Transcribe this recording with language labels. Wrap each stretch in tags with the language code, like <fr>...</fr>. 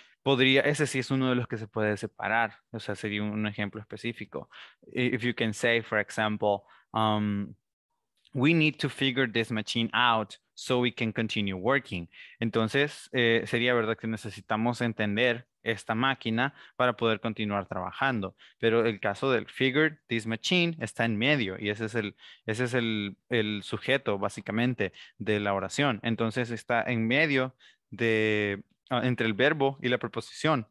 <es>Podría, ese sí es uno de los que se puede separar. O sea, sería un ejemplo específico.</es> <en>If you can say, for example, we need to figure this machine out so we can continue working.</en> <es>Entonces, sería verdad que necesitamos entender esta máquina para poder continuar trabajando. Pero el caso del</es> <en>figure this machine</en> <es>está en medio y ese es el sujeto básicamente de la oración. Entonces está en medio de entre el verbo y la preposición.</es>